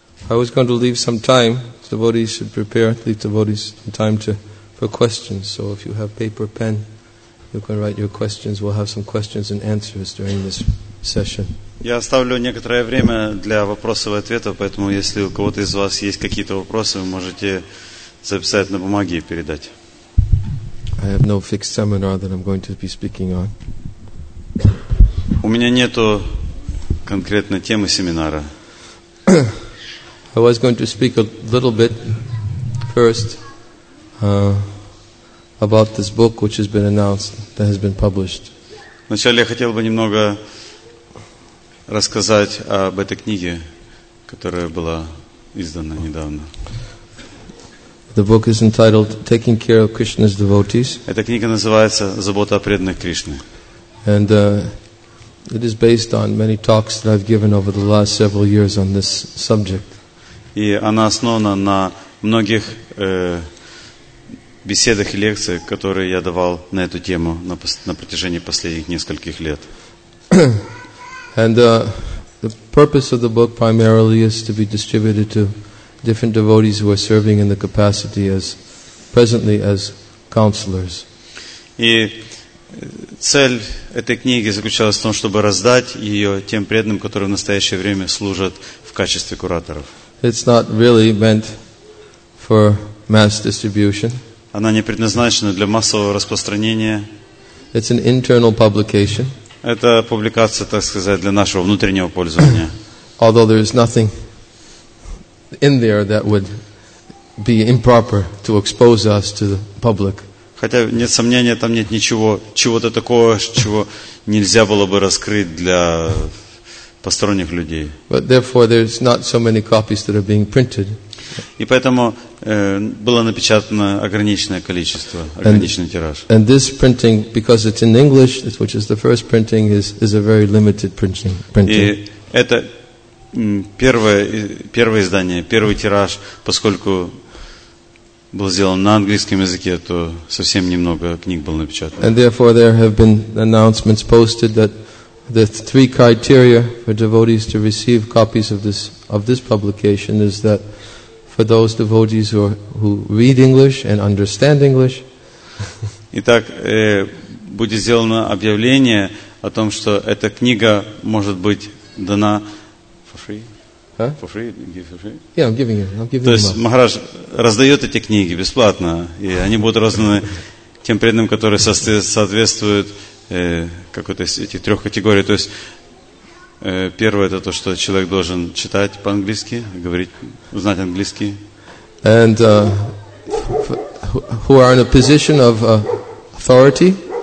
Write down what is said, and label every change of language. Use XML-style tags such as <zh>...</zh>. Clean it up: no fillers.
<en>I was going to leave some time. Devotees should prepare. Leave devotees some time for questions. So if you have paper, pen, you can write your questions. We'll have some questions and answers during this session.</en> <ru>Я оставлю некоторое время для вопросов и ответов, поэтому если у кого-то из вас есть какие-то вопросы, вы можете записать на бумаге и передать.</ru> <en>I have no fixed seminar that I'm going to be speaking on.</en> <ru>У меня нету конкретно темы семинара.</ru> <en>I was going to speak a little bit first about this book which has been announced, that has been published.</en> <ru>Вначале я хотел бы немного рассказать об этой книге, которая была издана недавно.</ru> <en>The book is entitled Taking Care of Krishna's Devotees.</en> <ru>Эта книга называется «Забота о преданных Кришне».</ru> <en>And it is based on many talks that I've given over the last several years on this subject.</en> <ru>И она основана на многих беседах и лекциях, которые я давал на эту тему на протяжении последних нескольких лет.</ru> <en>And the purpose of the book primarily is to be distributed to different devotees who are serving in the capacity as presently as counselors.</en> <ru>И цель этой книги заключалась в том, чтобы раздать ее тем преданным, которые в настоящее время служат в качестве кураторов.</ru> <en>It's not really meant for mass distribution.</en> <ru>Она не предназначена для массового распространения.</ru> <en>It's an internal publication.</en> <ru>Это публикация, так сказать, для нашего внутреннего пользования.</ru> <en>Although there is nothing in there that would be improper to expose us to the public.</en> <ru>Хотя нет сомнения, там нет ничего, чего-то такого, чего нельзя было бы раскрыть для посторонних людей.</ru> <en>But therefore there's not so many copies that are being printed.</en> <ru>И поэтому было напечатано ограниченное количество, ограниченный тираж.</ru> <en>And this printing, because it's in English, which is the first printing, is a very limited printing.</en> <ru>И это первое издание, первый тираж, поскольку был сделан на английском языке, то совсем немного книг было напечатано.</ru> <en>And therefore there have been announcements posted that the three criteria for devotees to receive copies of this publication is that for those devotees who read English and understand English.</en> <ru>Итак, будет сделано объявление о том, что эта книга может быть дана</ru> <en>for free. Huh? For free? Give for free? Yeah, I'm giving it. I'm giving</en> <ru>То есть Махарадж раздает эти книги бесплатно, и они будут разданы тем преданным, которые соответствуют какой-то из этих трех категорий. То есть первое это то, что человек должен читать по-английски, говорить, знать английский.</ru> <en>And who are in a position of authority?</en>